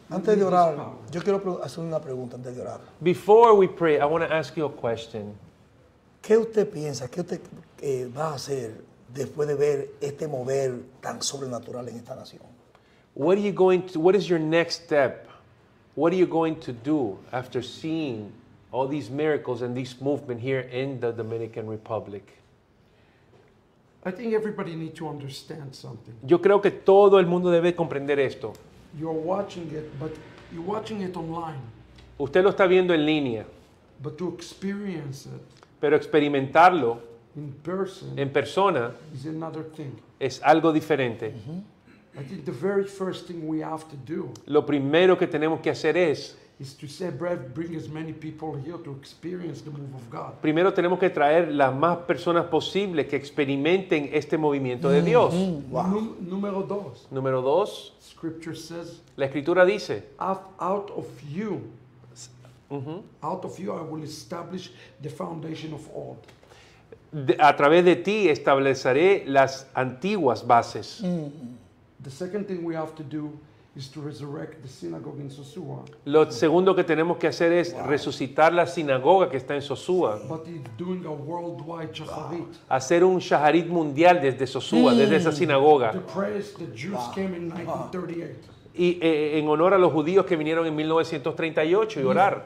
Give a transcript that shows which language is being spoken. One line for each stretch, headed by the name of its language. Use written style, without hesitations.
Spanish: Antes de orar, yo quiero hacer una pregunta antes de orar.
English: Before we pray, I want to ask you a question.
Spanish: ¿Qué usted piensa? ¿Qué usted va a hacer después de ver este mover tan sobrenatural en esta nación?
English: What is your next step? What are you going to do after seeing all these miracles and this movement here in the Dominican Republic? I think everybody needs to understand something.
Spanish: Yo creo que todo el mundo debe comprender esto.
English: You're watching it, but you're watching it online.
Spanish: Usted lo está viendo en línea.
English: But to experience it.
Spanish: Pero experimentarlo.
English: In person,
Spanish: en persona
English: is another thing.
Spanish: Es algo diferente. Mm-hmm.
English: I think the very first thing we have to do.
Spanish: Lo primero que tenemos que hacer es.
English: Is to say, Brad, bring as many people here to experience the move of God.
Spanish: Primero tenemos que traer las más personas posibles que experimenten este movimiento de Dios. Wow. Número dos. Número dos.
English: Scripture says.
Spanish: La escritura dice.
English: Out of you. Out of you, I will establish the foundation of old.
Spanish: A través de ti estableceré las antiguas bases.
English: The second thing we have to do is to resurrect the synagogue in Sosua.
Spanish: Lo segundo que tenemos que hacer es resucitar la sinagoga que está en Sosua.
English: But doing a worldwide shaharit.
Spanish: Hacer un shaharit mundial desde Sosua, desde esa sinagoga.
English: The prayers the Jews came in 1938.
Spanish: Y en honor a los judíos que vinieron en 1938 y orar.